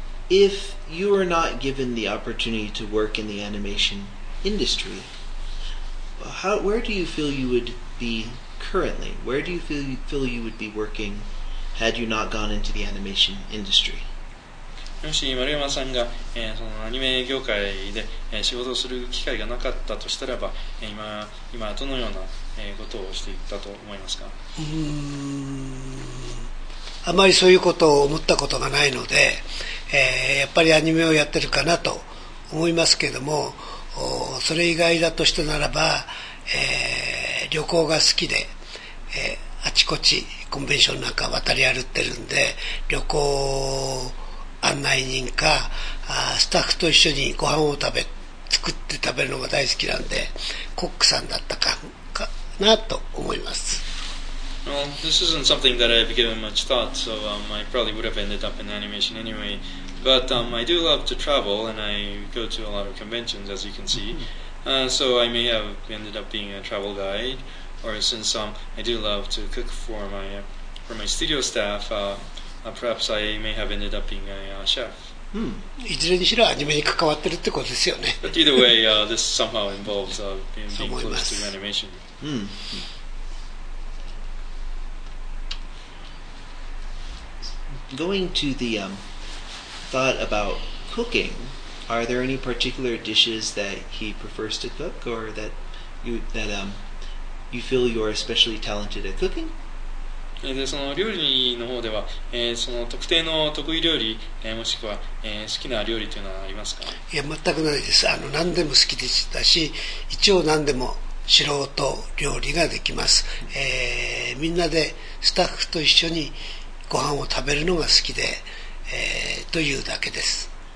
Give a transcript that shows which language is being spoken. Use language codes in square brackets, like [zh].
[en] If you are not given the opportunity to work in the animation industry, where do you feel you would be currently? Where do you feel you would be working had you not gone into the animation industry? [ja] もし丸山さんが、そのアニメ業界で、仕事をする機会がなかったとしたらば、今どのような、ことをしていたと思いますか？あまりそういうことを思ったことがないので、やっぱりアニメをやってるかなと思いますけれども、それ以外だとしてならば、旅行が好きで、あちこちコンベンションなんか渡り歩ってるんで、旅行案内人かスタッフと一緒にご飯を作って食べるのが大好きなんで、コックさんだったかなと思います。 [en] Well, this isn't something that I've given much thought, so I probably would have ended up in animation anyway. But I do love to travel, and I go to a lot of conventions, as you can see. So I may have ended up being a travel guide, or since I do love to cook for my studio staff, perhaps I may have ended up being a chef. [ja] いずれにしろアニメに関わってるってことですよね。 [en] But either way, this somehow involves being close to animation. Going to the thought about cooking, are there any particular dishes that he prefers to cook, or that you feel you are especially talented at cooking? [ja] でその料理の方では、その特定の得意料理、もしくは、好きな料理というのはありますか？いや全くないです。何でも好きでしたし、一応何でも素人料理ができます、みんなでスタッフと一緒にご飯を食べるのが好きで、というだけです。